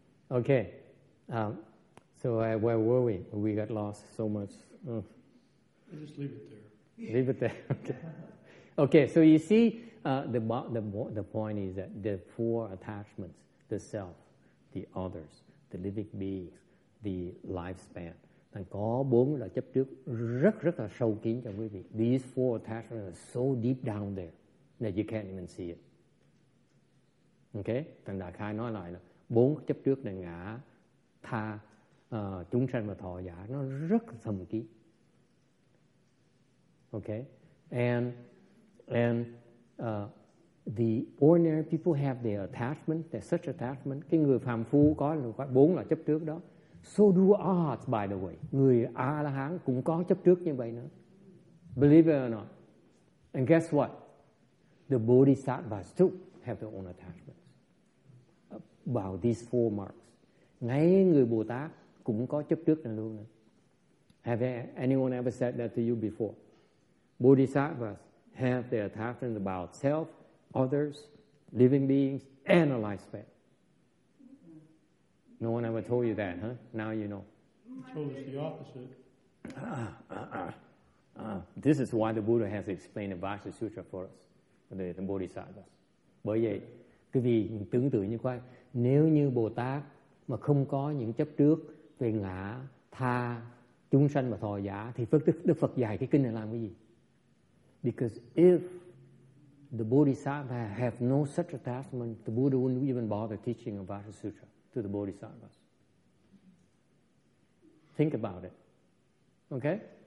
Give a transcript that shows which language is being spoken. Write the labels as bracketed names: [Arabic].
[English] Okay. Where were we? We got lost so much. Oh. Just leave it there. Leave it there. Okay. So you see, the point is that the four attachments: the self, the others, the living beings, the lifespan. And [Vietnamese] có bốn là chấp trước rất rất là sâu kín cho quý vị. [English] These four attachments are so deep down there that you can't even see it. Okay. [Vietnamese] Thành Đại Khai nói lại là bốn chấp trước là ngã, tha, chúng sanh và thọ giả, nó rất thầm kín. [English] Okay, and the ordinary people have their attachment, their such attachment. [Vietnamese] Cái người phàm phu có bốn là chấp trước đó. [English] So do us, by the way. [Vietnamese] Người A La Hán cũng có chấp trước như vậy nữa. [English] Believe it or not. And guess what? The Bodhisattvas too have their own attachments about these four marks. [Vietnamese] Ngay người Bồ Tát cũng có chấp trước này luôn. [English] Have anyone ever said that to you before? Bodhisattvas have their attachment about self, others, living beings, and a lifespan. No one ever told you that, huh? Now you know. He told us the opposite. This is why the Buddha has explained the Vajra Sutra for us, the Bodhisattvas. [Vietnamese] Bởi vậy, quý vị tưởng tượng như vậy, nếu như Bồ Tát mà không có những chấp trước về ngã, tha, chúng sanh và thọ giả, thì Đức Phật dạy cái kinh này làm cái gì? [English] Because if the Bodhisattva have no such attachment, the Buddha wouldn't even bother teaching a Vajra Sutra to the Bodhisattvas. Think about it. Okay?